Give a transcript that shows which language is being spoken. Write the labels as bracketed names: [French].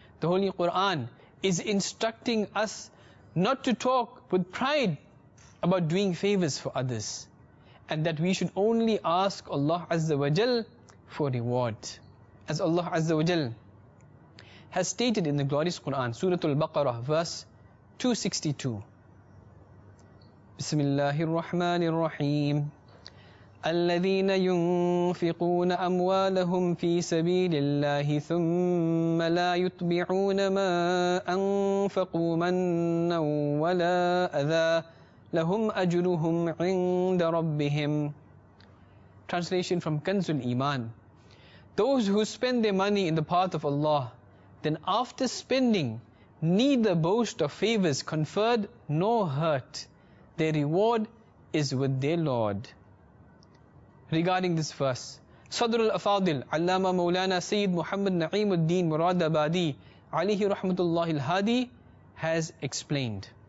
[English] The Holy Quran is instructing us not to talk with pride about doing favors for others and that we should only ask Allah Azza wa Jal for reward. As Allah Azza wa Jal has stated in the glorious Quran, Surah Al-Baqarah, verse 262. [Arabic] بسم الله الرحمن الرحيم الذين ينفقون أموالهم في سبيل الله ثم لا يتبعون ما أنفقوا منا ولا أذى لهم أجرهم عند ربهم. [English] Translation from Kanzul Iman. Those who spend their money in the path of Allah, then after spending, neither boast of favors conferred nor hurt. Their reward is with their Lord. Regarding this verse, Sadr al-Afadil, Allama Mawlana Sayyid Muhammad Naeem al-Din Muradabadi, alayhi rahmatullahi al-Hadi, has explained.